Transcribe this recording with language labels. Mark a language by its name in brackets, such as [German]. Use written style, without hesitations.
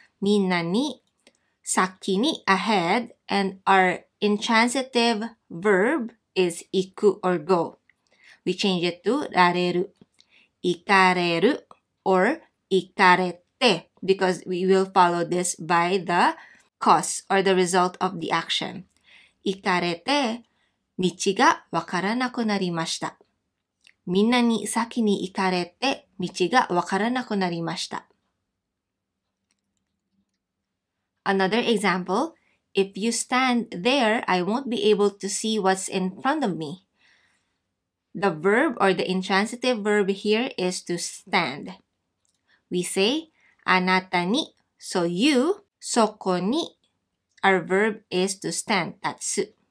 [Japanese] Minna ni, saki ni, [English] ahead. And our intransitive verb is iku or go. We change it to rareru. [Japanese] Ikareru [English] or [Japanese] ikarete. [English] Because we will follow this by the cause or the result of the action. [Japanese] Ikarete. 道がわからなくなりました。みんなに先に行かれて道がわからなくなりました。 [English] Another example, if you stand there, I won't be able to see what's in front of me. The verb or the intransitive verb here is to stand. We say, [Japanese] anata ni, [English] so you, [Japanese] soko ni, [English] our verb is to stand, [Japanese] tatsu.